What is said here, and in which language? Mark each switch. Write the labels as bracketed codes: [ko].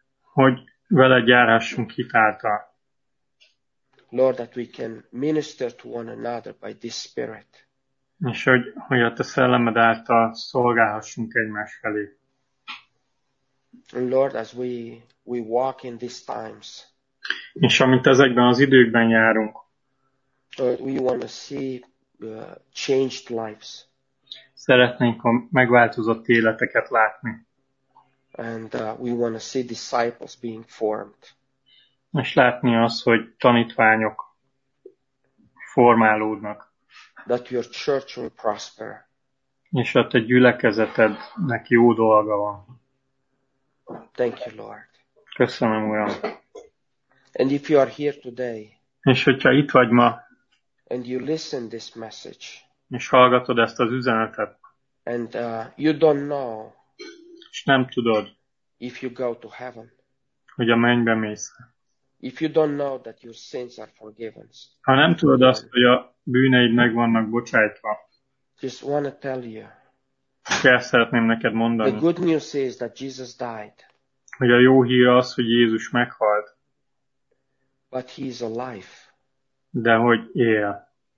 [hu] Hogy veled járhassunk hitáltal. [en] Lord, that we can minister to one another by this spirit. [hu] És hogy a te szellemed által szolgálhassunk egymás felé. [en] Lord, as we walk in these times. [hu] És amint ezekben az időkben járunk. [en] We want to see changed lives. [hu] Szeretnénk a megváltozott életeket látni. [en] And we want to see disciples being formed. [hu] És látni azt, hogy tanítványok formálódnak. [en] That your church will prosper. [hu] És a te gyülekezetednek jó dolga van. [en] Thank you, Lord. [hu] Köszönöm, Uram. [en] And if you are here today, [hu] és hogyha itt vagy ma, [en] and you listen this message, [hu] és hallgatod ezt az üzenetet, [en] and you don't know, [hu] és nem tudod, [en] if you go to heaven, [hu] hogy a mennybe mész, [en] if you don't know that your sins are forgiven, [hu] ha nem tudod azt, hogy a bűneid meg vannak bocsájtva, [en] just want to tell you, [hu] kell szeretném neked mondani, [en] the good news is that Jesus died, [hu] hogy a jó hír az, hogy Jézus meghalt. [en] But he is alive. [hu] De hogy él.